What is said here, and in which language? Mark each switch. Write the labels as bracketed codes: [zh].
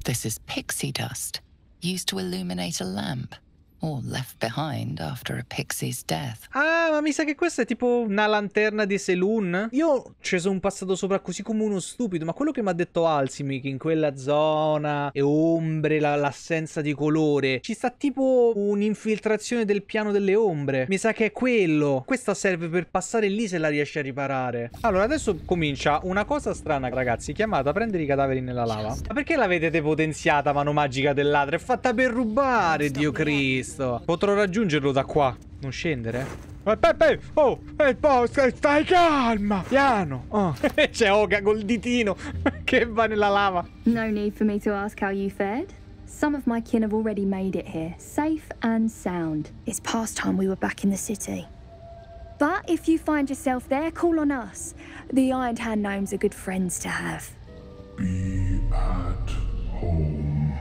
[en] This is pixie dust, used to illuminate a lamp or left behind after a pixie's death. [it] Ah, ma mi sa che questa è tipo una lanterna di Selun. Io ci sono passato sopra così come uno stupido, ma quello che mi ha detto Alcimic in quella zona e ombre, l'assenza di colore, ci sta tipo un'infiltrazione del piano delle ombre. Mi sa che è quello. Questa serve per passare lì se la riesci a riparare. Allora, adesso comincia una cosa strana, ragazzi, chiamata prendere i cadaveri nella lava. Ma perché l'avete depotenziata, mano magica del ladro? È fatta per rubare, Dio Cristo. Potrò raggiungerlo da qua. Non scendere. Oh, stai calma. Piano. Oh. C'è Oga col ditino che va nella lava. [en] No need for me to ask how you fared. Some of my kin have already made it here, safe and sound. It's past time we were back in the city. But if you find yourself there, call on us. The Iron Hand gnomes are good friends to have. Be at home.